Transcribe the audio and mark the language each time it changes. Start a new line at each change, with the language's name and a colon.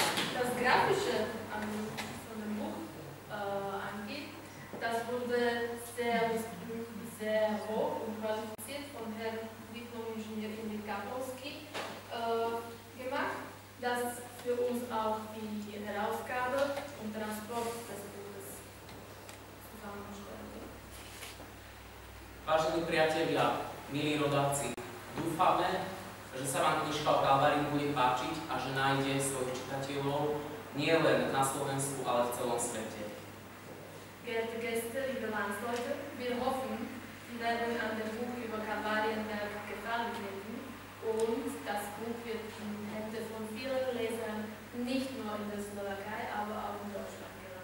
German: Das grafische von dem Buch angeht, das wurde sehr hoch und qualifiziert von Herrn Diplom-Ingenieur Ivan Kapolský gemacht, das für uns auch die Herausgabe und Transport des Buches zusammenstellen.
Slovak: Vážení priatelia, milí rodáci, dúfame, že sa vám knižka o Kalvárii bude páčiť a že nájde svojich čitateľov nie len na Slovensku, ale v celom svete.
German: Geehrte Gäste, liebe Landsleute, wir hoffen, Sie werden an dem Buch über Kalvarienberg gefallen finden und das Buch wird in Hände von vielen Lesern nicht nur in der Slowakei, aber auch in Deutschland.